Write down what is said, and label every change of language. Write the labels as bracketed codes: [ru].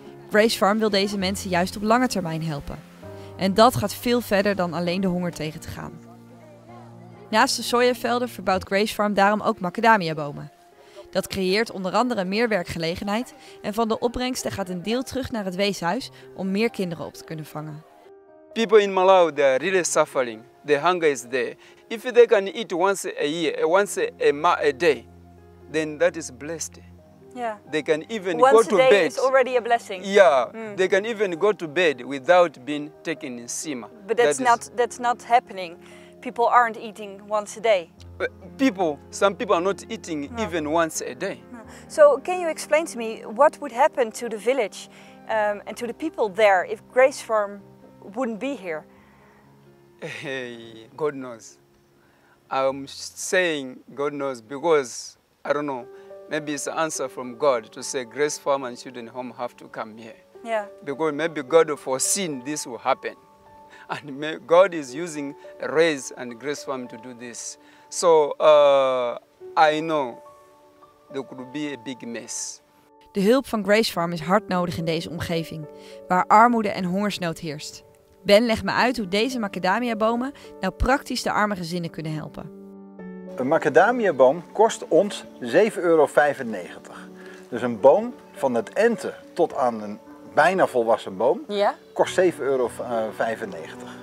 [nl] Grace Farm wil deze mensen juist op lange termijn helpen. En dat gaat veel verder dan alleen de honger tegen te gaan. Naast de sojavelden verbouwt Grace Farm daarom ook macadamiabomen. Dat creëert onder andere meer werkgelegenheid en van de opbrengsten gaat een deel terug naar het weeshuis om meer kinderen op te kunnen vangen. [en] People in Malawi, they are really suffering. The hunger is there. If they can eat once a year, once a day, then that is blessed. Yeah. They can even once go to a day bed. It's already a blessing. Yeah, they can even go to bed without being taken in sima. But that's not happening. People aren't eating once a day. Some people are not eating even once a day. No. So can you explain to me what would happen to the village and to the people there if Grace Farm wouldn't be here? Hey, God knows. I'm saying God knows because I don't know. Maybe it's an answer from God to say Grace Farm and Children Home have to come here. Yeah. Because maybe God foreseen this will happen. And God is using Rays and Grace Farm to do this. So I know there could be a big mess. [nl] De hulp van Grace Farm is hard nodig in deze omgeving, waar armoede en hongersnood heerst. Ben, leg me uit hoe deze macadamiabomen nou praktisch de arme gezinnen kunnen helpen. Een macadamiaboom kost ons €7,95. Dus een boom van het enten tot aan een bijna volwassen boom kost €7,95.